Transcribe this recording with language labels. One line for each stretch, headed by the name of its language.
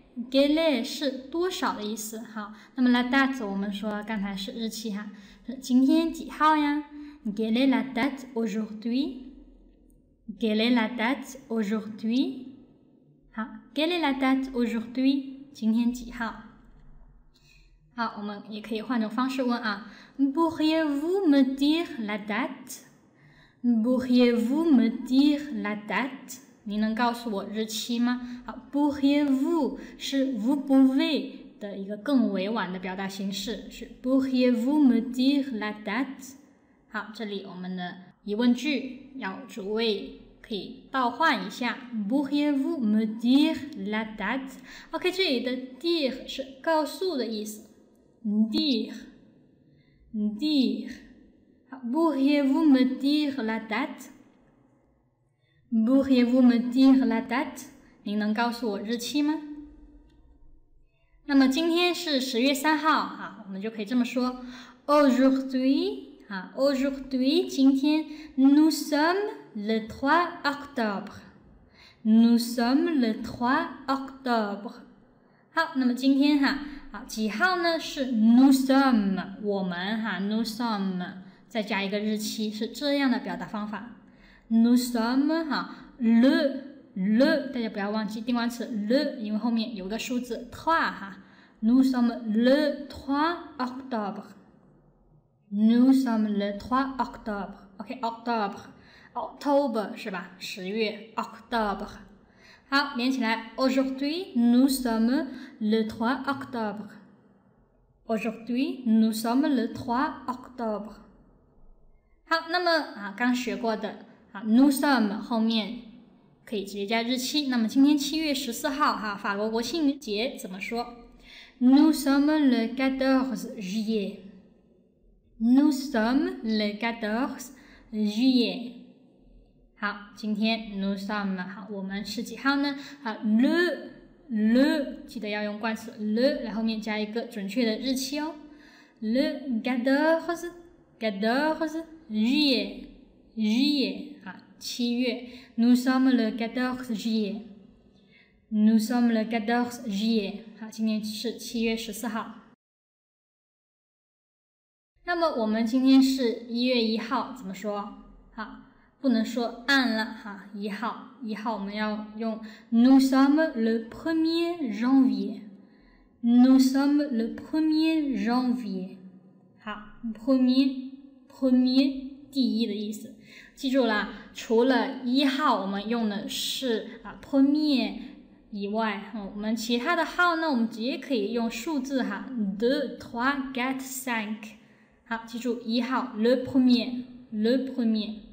Chinese: Quelle 是多少的意思？好，那么 la date 我们说刚才是日期哈，是今天几号呀 ？
French: Quelle est la date aujourd'hui? Quelle est la date aujourd'hui? 好 ，Quelle est la date aujourd'hui?
Chinese: 今天几号？好，我们也可以换种方式问啊。
French: Pourriez-vous me dire la date? Pourriez-vous me dire la date?
Chinese: 你能告诉我日期吗？好 ，Pourriez-vous 是 vous pouvez 的一个更委婉的表达形式，是
French: Pourriez-vous me dire la date?
Chinese: 好，这里我们的疑问句要主谓。可以倒换一下 ，
French: Pourriez-vous me dire la date?
Chinese: OK， 这里的 dire 是告诉的意思 ，dire， dire。
French: Pourriez-vous me dire la date? Pourriez-vous me dire la date?
Chinese: 您能告诉我日期吗？那么今天是十月三号，哈，我们就可以这么说 ，Aujourd'hui， 啊 ，Aujourd'hui， 今天 ，Nous sommes。
French: Le 3 octobre. Nous sommes le 3 octobre.
Chinese: 好，那么今天哈，好，几号呢？是 nous sommes， 我们哈 ，nous sommes， 再加一个日期，是这样的表达方法。 Nous sommes 哈 ，le， 大家不要忘记定冠词 le， 因为后面有个数字 trois 哈。
French: Nous sommes le 3 octobre. Nous sommes le 3 octobre. OK， octobre.
Chinese: October 是吧？十月 ，October。好，连起来 ，
French: Aujourd'hui nous sommes le 3 octobre。 Aujourd'hui nous sommes le 3 octobre。
Chinese: 好，那么啊，刚学过的啊 ，nous sommes 后面可以直接加日期。那么今天7月14号哈、啊，法国国庆节怎么说 ？
French: Nous sommes le 14 juillet。 Nous sommes le 14 juillet。
Chinese: 好，今天 nous sommes 好，我们是几号呢？好 ，le， 记得要用冠词 le， 然后面加一个准确的日期哦。
French: le quatorze juillet， 好，七月。 nous sommes le quatorze juillet， nous sommes le quatorze juillet，
Chinese: 好，今天是7月14号。那么我们今天是1月1号，怎么说？好。不能说按了哈，一号一号我们要用
French: nous sommes le 1er janvier，
Chinese: nous sommes le 1er janvier， 好 1er 第一的意思，记住了，除了一号我们用的是啊 1er 以外，我们其他的号呢，我们直接可以用数字哈 2, 3, 4, 5， 好，记住一号 le 1er， le 1er。